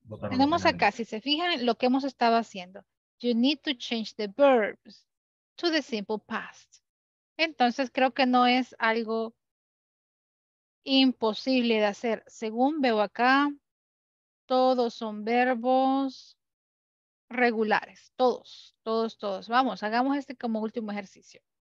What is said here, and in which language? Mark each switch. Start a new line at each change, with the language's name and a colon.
Spanish: Tenemos acá, si se fijan, lo que hemos estado haciendo.
English: You need to change the verbs to the simple past.
Spanish: Entonces, creo que no es algo imposible de hacer. Según veo acá, todos son verbos regulares. Todos, todos, todos. Vamos, hagamos este como último ejercicio.